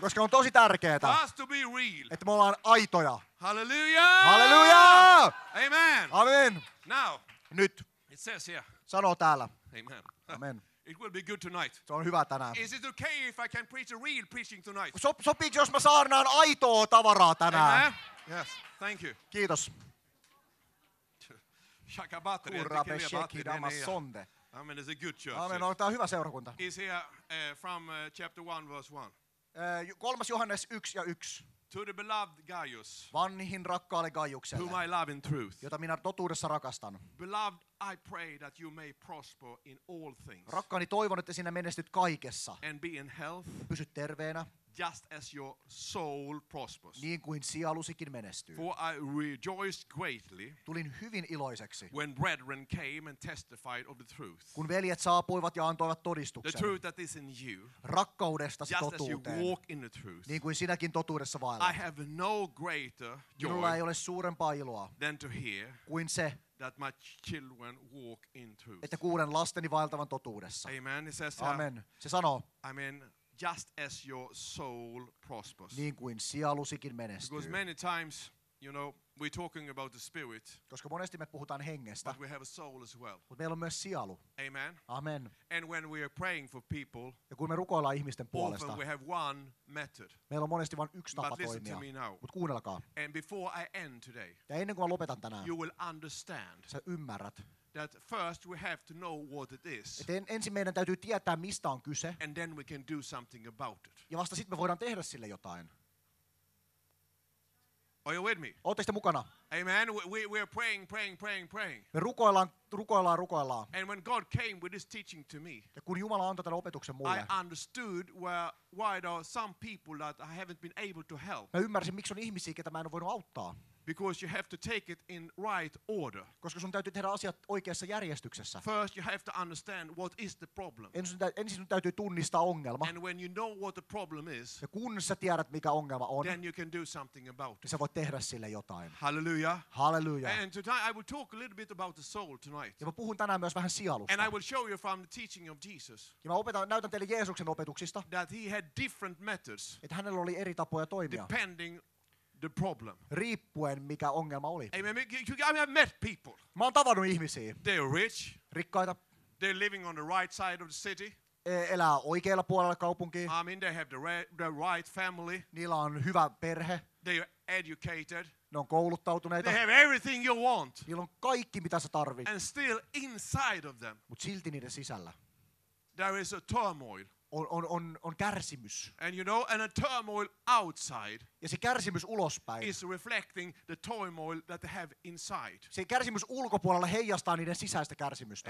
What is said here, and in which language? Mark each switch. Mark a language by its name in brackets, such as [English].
[Finnish] Koska on tosi tärkeetä. [English] Has to be real. [Finnish] Että me ollaan aitoja. Hallelujah. Hallelujah. Amen. Amen. [English] Now. [Finnish] Nyt. [English] It says here. [Finnish] Sanoo täällä. Amen. Amen. [English] It will be good tonight. [Finnish] Se on hyvä tänään. [English] Is it okay if I can preach a real preaching tonight? [Finnish] Sopiiko jos mä saarnaan aitoa tavaraa tänään? [English] Amen. Yes. Thank you. [Finnish] Kiitos. Shaka batteri. Kurra besheki damasonde. [English] Amen, it's a good church. [Finnish] Amen, on tämä hyvä seurakunta. [English] Is here from chapter 1 verse 1. [Finnish] 3. Johannes 1 ja 1. [English] To the beloved Gaius. [Finnish] Vanhin rakkaalle Gaiukselle. [English] Whom I love in truth. [Finnish] Jota minä totuudessa rakastan. [English] Beloved, I pray that you may prosper in all things. [Finnish] Rakkaani, toivon että sinä menestyt kaikessa. [English] And be in health. [Finnish] Pysyt terveenä. [English] just as your soul prospers. [Finnish] Niin kuin sielusikin menestyy. [English] For I rejoiced greatly. [Finnish] Tulin hyvin iloiseksi. [English] When brethren came and testified of the truth. [Finnish] Kun veljet saapuivat ja antoivat todistuksen. [English] The truth that is in you. [Finnish] Rakkaudestasi [English] just [Finnish] totuuteen. [English] Just as you walk in the truth. [Finnish] Niin kuin sinäkin totuudessa vaellat. [English] I have no greater joy. [Finnish] Minulla ei ole suurempaa iloa. [English] Than to hear. [Finnish] Kuin se. [English] That my children walk in truth. [Finnish] Että kuulen lasteni vaeltavan totuudessa. [English] Amen. He says, [Finnish] amen. Se sanoo. [English] I mean, just as your soul prospers. [Finnish] Niin kuin sielusikin menestyy. [English] Because many times, you know, we're talking about the spirit. [Finnish] Koska monesti me puhutaan hengestä. [English] But we have a soul as well. [Finnish] Mutta meillä on myös sielu. Amen. Amen. [English] And when we are praying for people. [Finnish] Ja kun me rukoillaan ihmisten puolesta. [English] Often we have one method. [Finnish] Meillä on monesti vain yksi tapa [English] but [Finnish] toimia. [English] But listen to me now. [Finnish] Mut kuunnelkaa. [English] And before I end today. [Finnish] Ja ennen kuin mä lopetan tänään. [English] You will understand. [Finnish] Sä ymmärrät. [English] That first we have to know what it is. [Finnish] Ensin meidän täytyy tietää mistä on kyse. [English] And then we can do something about it. [Finnish] Ja vasta sitten me voidaan tehdä sille jotain. [English] Are you with me? [Finnish] Ootteko te mukana? [English] Amen. We are praying. [Finnish] Me rukoillaan. [English] And when God came with this teaching to me. [Finnish] Ja kun Jumala antoi tämän opetuksen mulle. [English] I understood why there are some people that I haven't been able to help. [Finnish] Mä ymmärsin miksi on ihmisiä ketä mä en ole voinut auttaa. [English] Because you have to take it in right order. [Finnish] Koska sun täytyy tehdä asiat oikeassa järjestyksessä. [English] First you have to understand what is the problem. [Finnish] Ensin sun täytyy tunnistaa ongelma. [English] And when you know what the problem is. [Finnish] Ja kun sä tiedät mikä ongelma on. [English] Then you can do something about it. [Finnish] Sä voit tehdä sille jotain. Hallelujah. Hallelujah. [English] And today I will talk a little bit about the soul tonight. [Finnish] Ja mä puhun tänään myös vähän sielusta. [English] And I will show you from the teaching of Jesus. [Finnish] Ja mä näytän teille Jeesuksen opetuksista. [English] That he had different methods. [Finnish] Että hänellä oli eri tapoja toimia. [English] Depending the problem. [Finnish] Riippuen mikä ongelma oli. [English] I have met people. [Finnish] Mä oon tavannut ihmisiä. [English] They are rich. [Finnish] Rikkaita. [English] They're living on the right side of the city. [Finnish] Elää oikealla puolella kaupunkia. [English] I mean they have the right family. [Finnish] Niillä on hyvä perhe. [English] They are educated. [Finnish] Ne on kouluttautuneita. [English] They have everything you want. [Finnish] Niillä on kaikki mitä sä tarvit. [English] And still inside of them. [Finnish] Mut silti niiden sisällä. [English] There is a turmoil. [Finnish] On kärsimys. [English] And you know, and a turmoil outside. [Finnish] Ja se kärsimys ulospäin. [English] Is reflecting the turmoil that they have inside. [Finnish] Se kärsimys ulkopuolella heijastaa niiden sisäistä kärsimystä.